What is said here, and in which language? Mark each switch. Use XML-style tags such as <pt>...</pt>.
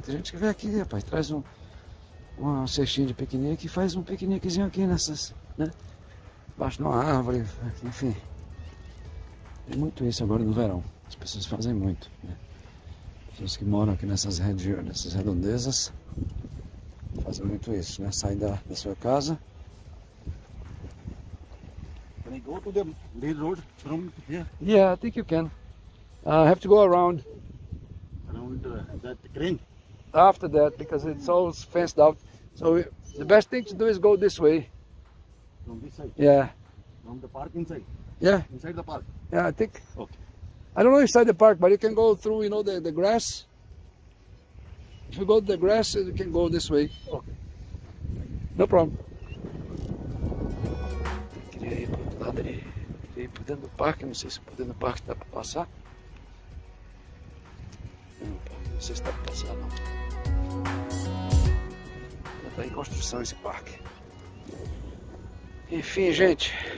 <pt>Tem gente que vem aqui, rapaz, traz um cestinho de piquenique e faz um piqueniquezinho aqui nessas, né? Embaixo de uma árvore, enfim. Tem muito isso agora no verão. As pessoas fazem muito, né? Pessoas que moram aqui nessas redondezas fazem muito isso, né? Saem da sua casa.</pt> <en>Can I go to the lizard from here? Yeah, I think you can. I have to go around. Around that green? After that, because it's all fenced out. So the best thing to do is go this way. From this side? Yeah. From the park inside? Yeah. Inside the park? Yeah, I think. Okay. I don't know inside the park, but you can go through, you know, the grass. If you go to the grass, you can go this way. Okay. No problem.</en> <pt>Eu queria ir para o lado ali. Eu queria ir para dentro do parque. Não sei se por dentro do parque dá para passar. Não sei se dá para passar, não. Está em construção esse parque. Enfim, gente.</pt>